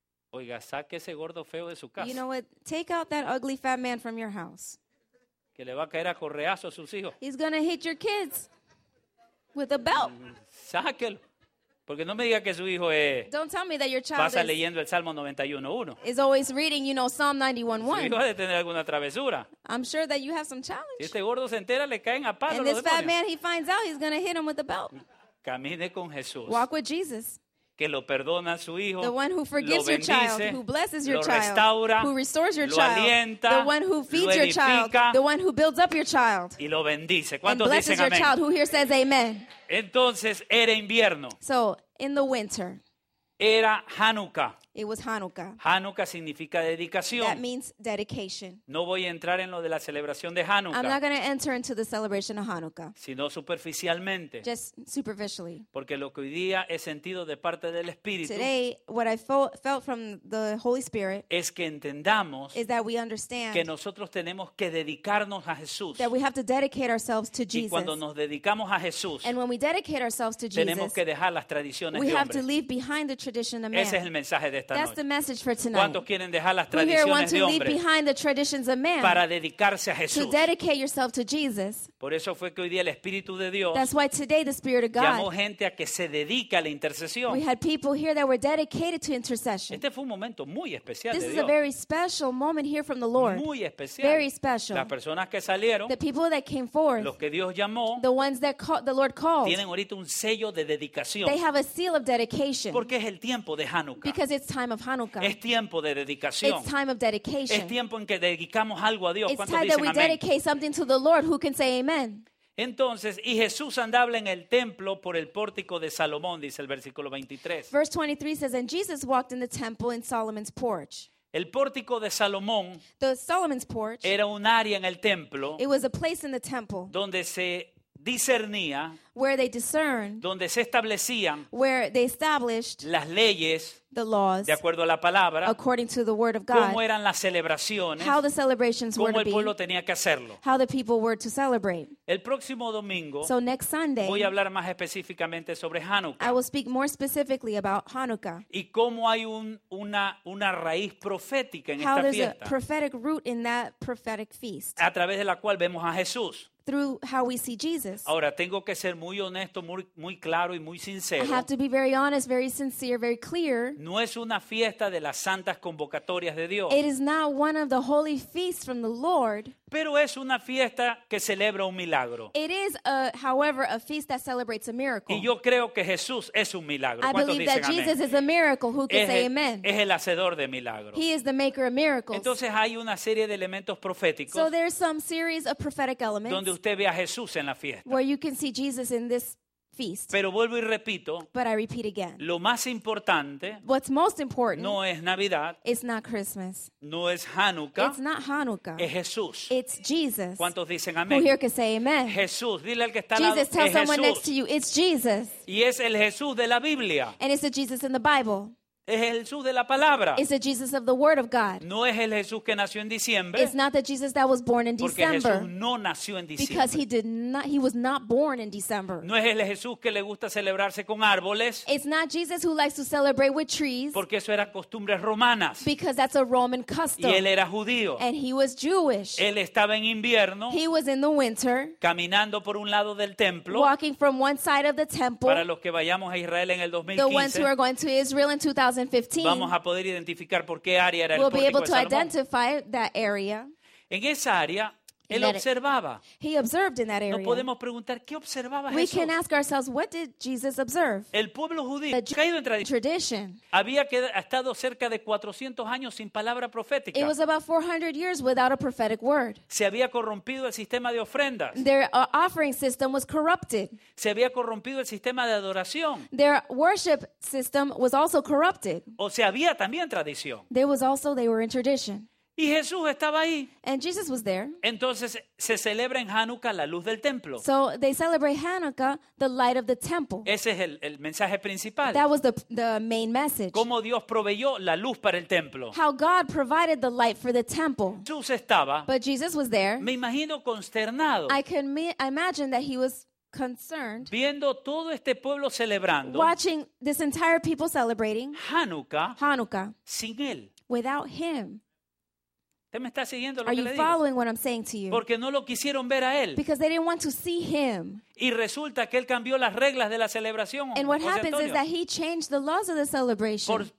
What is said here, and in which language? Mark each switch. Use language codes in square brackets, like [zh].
[es] Oiga, saque ese gordo feo de su casa. [en] You know what? Take out that ugly fat man from your house. [es] Que le va a caer a correazo a sus hijos. [en] He's gonna hit your kids with a belt. [es] Sáquelo. Porque no me diga que su hijo es. [en] Don't tell me that your child [es] pasa leyendo el Salmo 91:1. [en] Is always reading, you know, Psalm 91:1. [es] Su hijo ha de tener alguna travesura. [en] I'm sure that you have some challenge. [es] Si este gordo se entera, le caen a palo los demonios. [en] And this fat man, he finds out, he's going to hit him with a belt. [es] Camine con Jesús. [en] Walk with Jesus. [es] que lo perdona a su hijo, [en] the one who forgives [es] bendice, [en] your child, who blesses your child, [es] restaura, [en] who restores your [es] lo [en] child, [es] alienta, [en] the one who feeds [es] edifica, [en] your child, the one who builds up your child, [es] y lo bendice. [en] And blesses [es] dicen [en] your [es] amen? [en] Child, who here says amen. [es] Entonces, era invierno. [en] So, in the winter, [es] era Hanukkah. [en] It was Hanukkah. [es] Hanukkah significa dedicación. [en] That means dedication. [es] No voy a entrar en lo de la celebración de Hanukkah. [en] I'm not going to enter into the celebration of Hanukkah. [es] Sino superficialmente. [en] Just superficially. [es] Porque lo que hoy día he sentido de parte del Espíritu. [en] Today, what I felt from the Holy Spirit. [es] Es que entendamos. [en] Is that we understand. [es] Que nosotros tenemos que dedicarnos a Jesús. [en] That we have to dedicate ourselves to Jesus. [es] Y cuando nos dedicamos a Jesús. [en] And when we dedicate ourselves to Jesus. [es] Tenemos que dejar las tradiciones de hombre. [en] We have to leave behind the tradition of man. [es] Ese es el mensaje de [en] That's the message for tonight. [es] ¿Cuántos quieren dejar las tradiciones de hombre? [en] We here want to leave behind the traditions of man. [es] Para dedicarse a Jesús. [en] To dedicate yourself to Jesus. [es] Por eso fue que hoy día el Espíritu de Dios. [en] That's why today the Spirit of God. [es] Llamó gente a que se dedique a la intercesión. [en] We had people here that were dedicated to intercession. [es] Este fue un momento muy especial. [en] This [es] de [en] is [es] Dios. [en] A very special moment here from the Lord. [es] Muy especial. [en] Very special. [es] Las personas que salieron. [en] The people that came forth. [es] Los que Dios llamó. [en] The ones that the Lord called. [es] Tienen ahorita un sello de dedicación. [en] They have a seal of dedication. [es] Porque es el tiempo de Hanukkah. [en] Because it's time of Hanukkah. [es] Es tiempo de dedicación. [en] It's time of dedication. [es] Es tiempo en que dedicamos algo a Dios. [en] It's time that we dedicate something to the Lord. Who can say amen? [es] Entonces, y Jesús andaba en el templo por el pórtico de Salomón, dice el versículo 23. [en] Verse 23 says, and Jesus walked in the temple in Solomon's porch. [es] El pórtico de Salomón, [en] the Solomon's porch, [es] era un área en el templo. [en] It was a place in the temple [es] donde se discernía, [en] where they discerned, [es] donde se establecían, [en] where they established [es] las leyes, [en] the laws, [es] de acuerdo a la palabra, [en] according to the word of God, [es] cómo eran las celebraciones, [en] how the celebrations were to be, [es] cómo el pueblo tenía que hacerlo, [en] how the people were to celebrate. [es] El próximo domingo, [en] so next Sunday, [es] voy a hablar más específicamente sobre Hanukkah, [en] I will speak more specifically about Hanukkah, [es] y cómo hay una raíz profética en esta fiesta, [en] how there's a prophetic root in that prophetic feast, [es] a través de la cual vemos a Jesús. [en] Through how we see Jesus. [es] Ahora tengo que ser muy honesto, muy muy claro y muy sincero. [en] I have to be very honest, very sincere, very clear. [es] No es una fiesta de las santas convocatorias de Dios. [en] It is not one of the holy feasts from the Lord. [es] Pero es una fiesta que celebra un milagro. [en] It is, however, a feast that celebrates a miracle. [es] Y yo creo que Jesús es un milagro. [en] I believe that Jesus is a miracle. Who can say amen? [es] Es el hacedor de milagros. [en] He is the maker of miracles. [es] Entonces hay una serie de elementos proféticos. [en] So there's some series of prophetic elements. [es] Donde usted ve a Jesús en la fiesta. [en] Where you can see Jesus in this feast. [es] Pero vuelvo y repito. [en] But I repeat again. [es] Lo más importante. [en] What's most important. [es] No es Navidad. [en] It's not Christmas. [es] No es Hanukkah. [en] It's not Hanukkah. [es] Es Jesús. [en] It's Jesus. [es] ¿Cuántos dicen amén? [en] Who here can say amen? [es] Jesús. Dile al que está [en] Jesus, [es] al lado. [en] Jesus, tell [es] es [en] someone [es] Jesús. [en] Next to you. It's Jesus. [es] Y es el Jesús de la Biblia. [en] And it's the Jesus in the Bible. [es] Es el Jesús de la palabra. [en] It's the Jesus of the word of God. [es] No es el Jesús que nació en diciembre. [en] It's not the Jesus that was born in December. [es] Porque Jesús no nació en diciembre. [en] Because he was not born in December. [es] No es el Jesús que le gusta celebrarse con árboles. [en] It's not Jesus who likes to celebrate with trees. [es] Porque eso era costumbres romanas. [en] Because that's a Roman custom. [es] Y él era judío. [en] And he was Jewish. [es] Él estaba en invierno. [en] He was in the winter. [es] Caminando por un lado del templo. [en] Walking from one side of the temple. [es] Para los que vayamos a Israel en el 2015. [en] The ones who are going to Israel in 2015. [es] 2015, vamos a poder identificar por qué área era [en] we'll [es] el pórtico de Salomón. [en] Identify that area. [es] En esa área, él observaba. [en] He observed in that area. [es] Nos podemos preguntar, ¿qué observaba [en] Jesús? We can ask ourselves, what did Jesus observe? [es] El pueblo judío, caído en [en] tradition, [es] había estado cerca de 400 años sin palabra profética. [en] It was about 400 years without a prophetic word. [es] Se había corrompido el sistema de ofrendas. [en] Their offering system was corrupted. [es] Se había corrompido el sistema de adoración. [en] Their worship system was also corrupted. [es] O sea, había también tradición. [en] There was also, they were in tradition. [es] Y Jesús estaba ahí. [en] And Jesus was there. [es] Entonces se celebra en Hanukkah la luz del templo. [en] So they celebrate Hanukkah, the light of the temple. [es] Ese es el mensaje principal. [en] That was the main message. [es] Cómo Dios proveyó la luz para el templo. [en] How God provided the light for the temple. [es] Jesús estaba. [en] But Jesus was there. [es] Me imagino consternado. [en] I imagine that he was concerned. [es] Viendo todo este pueblo celebrando. [en] Watching this entire people celebrating. [es] Hanukkah. Sin él. [en] Without him. [es] ¿Usted me está siguiendo lo [en] Are [es] que [en] you [es] le [en] following [es] digo? [en] What I'm saying to you? [es] Porque no lo quisieron ver a él. [en] Because they didn't want to see him. [es] Y resulta que él cambió las reglas de la celebración. [en] And what happens is that he changed the laws of the celebration.